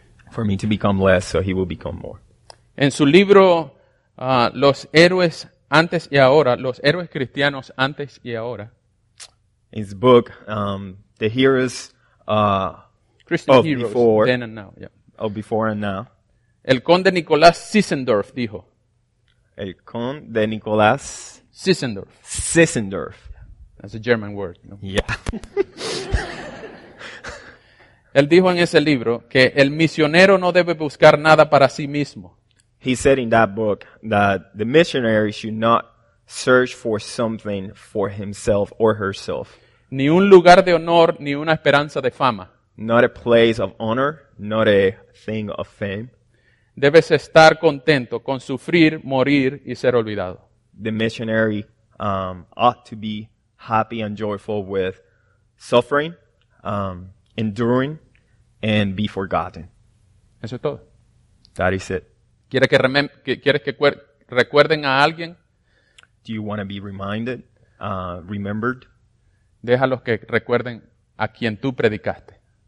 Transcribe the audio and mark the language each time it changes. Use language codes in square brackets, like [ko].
[en] For me to become less so he will become more. [es] En su libro, Los Héroes Antes y Ahora, Los Héroes Cristianos Antes y Ahora, [en] in his book, The Heroes Christian of Heroes, Before, Then and Now. Yeah. Of Before and Now. [es] El Conde Nicolás Sissendorf dijo. El Conde Nicolás Sissendorf. Sissendorf. [en] That's a German word. No? Yeah. [es] Él dijo en ese libro que el misionero no debe buscar nada para sí mismo. [en] He said in that book that the missionary should not search for something for himself or herself. [es] Ni un lugar de honor, ni una esperanza de fama. [en] Not a place of honor, not a thing of fame. [es] Debes estar contento con sufrir, morir y ser olvidado. [en] The missionary ought to be happy and joyful with suffering, enduring, and be forgotten. [es] Eso es todo. [en] That is it. [es] ¿Quieres que recuerden a alguien? [en] Do you want to be reminded, remembered? [es] Deja los que recuerden a quien tú predicaste.